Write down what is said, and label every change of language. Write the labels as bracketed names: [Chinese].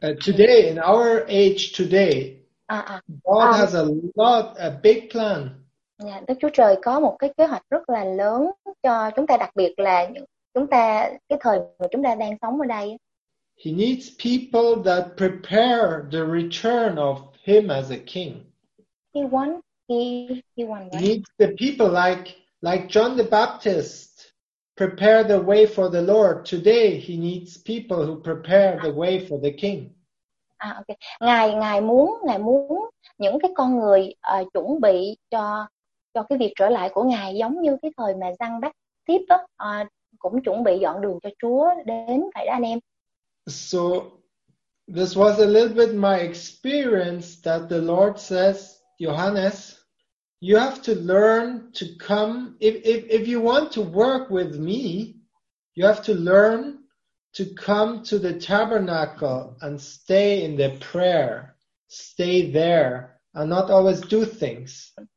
[English] today, in our age today, God has a big plan. [Vietnamese] Yeah, Đức Chúa Trời có một cái kế hoạch rất là lớn cho chúng ta, đặc biệt là chúng ta, cái thời mà chúng ta đang sống ở đây. [English] He needs people that prepare the return of him as a king. He wants He needs the people like John the Baptist. Prepare the way for the Lord. Today he needs people who prepare the way for the king. Okay. [Vietnamese] Ngài muốn những cái con người chuẩn bị cho cái việc trở lại của Ngài, giống như cái thời mà Giăng Bắc Tiếp cũng chuẩn bị dọn đường cho Chúa đến, phải đó anh em. [English] So this was a little bit my experience that the Lord says, Johannes, you have to learn to come, if you want to work with me, you have to learn to come to the tabernacle and stay in the prayer, stay there and not always do things.